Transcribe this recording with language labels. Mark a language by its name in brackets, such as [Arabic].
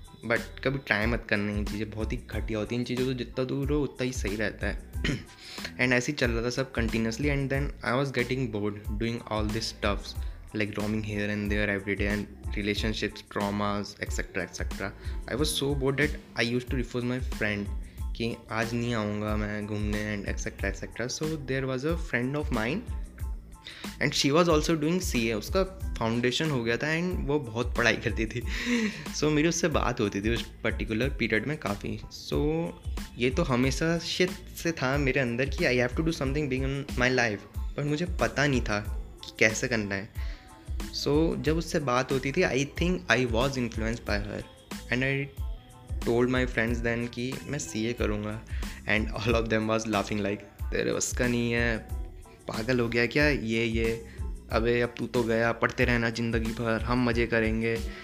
[Hindi] But कभी try मत करना, इन चीज़ें बहुत ही घटिया होती हैं इन चीज़ों से, तो जितना दूर हो उतना ही सही रहता है. [English] and [Hindi] ऐसे ही चल रहा था सब [English] Continuously and then I was getting bored doing all this stuffs. like roaming here and there every day, and relationships, traumas, etc., etc. I was so bored that I used to refuse my friend [Hindi] कि आज नहीं आऊँगा मैं घूमने [English] and etc., etc. So there was a friend of mine and she was also doing CA. [Hindi] उसका foundation हो गया था and वो बहुत पढ़ाई करती थी. So मेरी उससे बात होती थी उस particular period में काफ़ी. [English] So [Hindi] ये तो हमेशा shit से था मेरे अंदर कि [English] I have to do something big in my life. [Hindi] पर मुझे पता नहीं था कि कैसे करना है. [English] So [Hindi] जब उससे बात होती थी, [English] I think I was influenced by her and I told my friends then [Hindi] कि मैं CA करूँगा [English] and all of them was laughing like [Hindi] तेरे बस का नहीं है, पागल हो गया क्या ये, अबे अब तू तो गया, पढ़ते रहना जिंदगी भर, हम मजे करेंगे.